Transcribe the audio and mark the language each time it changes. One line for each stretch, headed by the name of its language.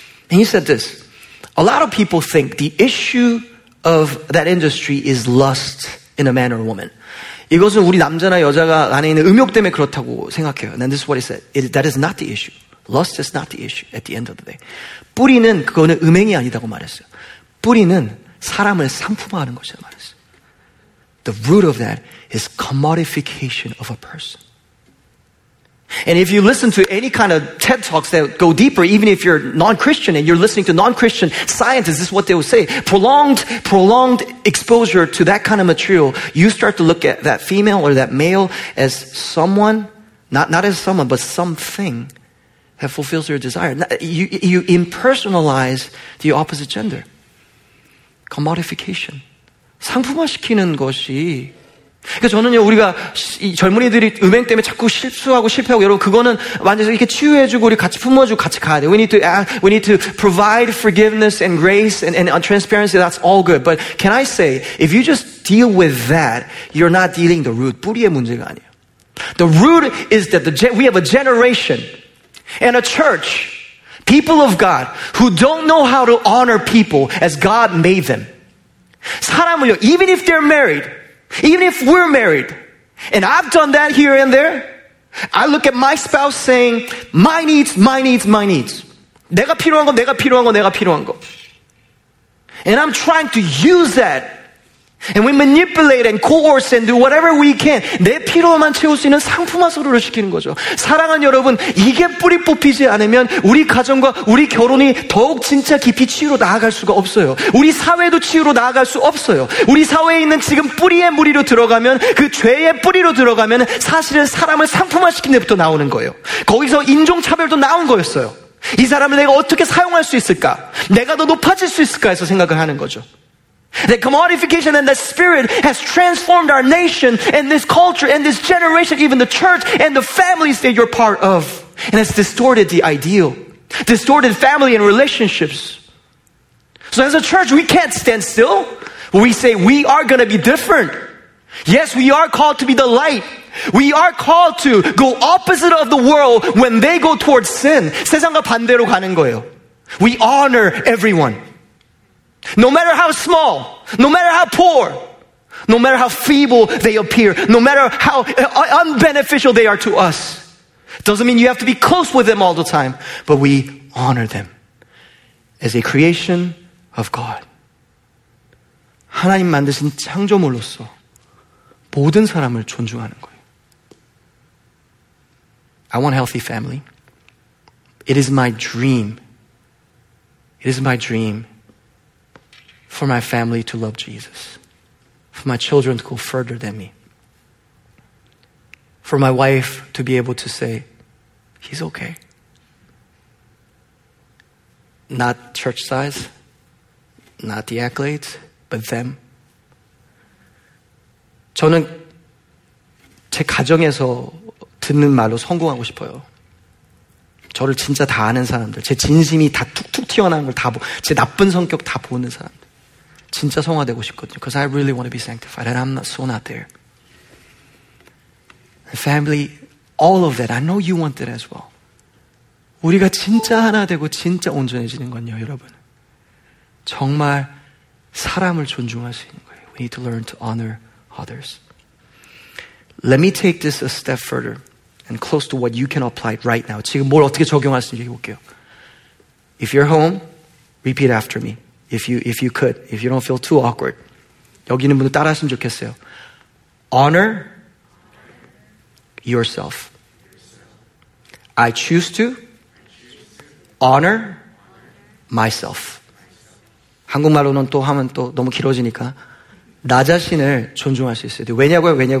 English: And he said this, a lot of people think the issue of that industry is lust in a man or a woman.
Korean: 이것은 우리 남자나 여자가 안에 있는 음욕 때문에 그렇다고 생각해요.
English: And this is what he said. That is not the issue. Lust is not the issue at the end of the day.
Korean: 뿌리는 그거는 음행이 아니라고 말했어요. 뿌리는 사람을 상품화하는 것이라고 말했어요.
English: The root of that is commodification of a person. And if you listen to any kind of TED talks that go deeper, even if you're non-Christian and you're listening to non-Christian scientists, this is what they will say. Prolonged exposure to that kind of material, you start to look at that female or that male as someone, not as someone, but something that fulfills your desire. You impersonalize the opposite gender. Commodification.
Korean: 상품화시키는 것이 그러니까 저는요 우리가 젊은이들이 음행 때문에 자꾸 실수하고 실패하고 여러분 그거는 완전히 이렇게 치유해주고 우리 같이 품어주고 같이 가야 돼.
English: We need to provide forgiveness and grace and transparency. That's all good. But can I say if you just deal with that, you're not dealing the root.
Korean: 뿌리의 문제가 아니에요.
English: The root is that we have a generation and a church, people of God, who don't know how to honor people as God made them.
Korean: 사람을요,
English: even if they're married. Even if we're married, and I've done that here and there, I look at my spouse saying, my needs, my needs, my needs.
Korean: 내가 필요한 거, 내가 필요한 거, 내가 필요한 거.
English: And I'm trying to use that. And we manipulate and coerce and do whatever we can.
Korean: 내 필요만 채울 수 있는 상품화 서류를 시키는 거죠. 사랑하는 여러분, 이게 뿌리 뽑히지 않으면 우리 가정과 우리 결혼이 더욱 진짜 깊이 치유로 나아갈 수가 없어요. 우리 사회도 치유로 나아갈 수 없어요. 우리 사회에 있는 지금 뿌리의 무리로 들어가면 그 죄의 뿌리로 들어가면 사실은 사람을 상품화 시킨 데부터 나오는 거예요. 거기서 인종차별도 나온 거였어요. 이 사람을 내가 어떻게 사용할 수 있을까? 내가 더 높아질 수 있을까? 해서 생각을 하는 거죠.
English: That commodification and that spirit has transformed our nation and this culture and this generation, even the church and the families that you're part of. And it's distorted the ideal, distorted family and relationships. So as a church, we can't stand still. We say we are going to be different. Yes, we are called to be the light. We are called to go opposite of the world when they go towards sin.
Korean: 세상과 반대로 가는 거예요.
English: We honor everyone. No matter how small, no matter how poor, no matter how feeble they appear, no matter how unbeneficial they are to us, doesn't mean you have to be close with them all the time, but we honor them as a creation of God.
Korean: 하나님 만드신 창조물로서 모든 사람을 존중하는 거예요.
English: I want a healthy family. It is my dream. It is my dream. For my family to love Jesus. For my children to go further than me. For my wife to be able to say, he's okay. Not church size, not the accolades, but them.
Korean: 저는 제 가정에서 듣는 말로 성공하고 싶어요. 저를 진짜 다 아는 사람들, 제 진심이 다 툭툭 튀어나온 걸 다, 제 나쁜 성격 다 보는 사람들. 진짜 성화되고 싶거든요.
English: Because I really want to be sanctified. And I'm not, so not there. Family, all of that. I know you want that as well.
Korean: 우리가 진짜 하나 되고 진짜 온전해지는 건요, 여러분. 정말 사람을 존중할 수 있는 거예요.
English: We need to learn to honor others. Let me take this a step further and close to what you can apply right now.
Korean: 지금 뭘 어떻게 적용할 수 있는지 얘기해볼게요.
English: If you're home, repeat after me. If you could, if you don't feel too awkward.
Korean: 여기 있는 분들 따라 하시면 좋겠어요.
English: Honor yourself. I choose to honor myself.
Korean: 한국말로는 또 하면 또 너무 길어지니까 나 자신을 존중할 수 있어요. 왜냐고요?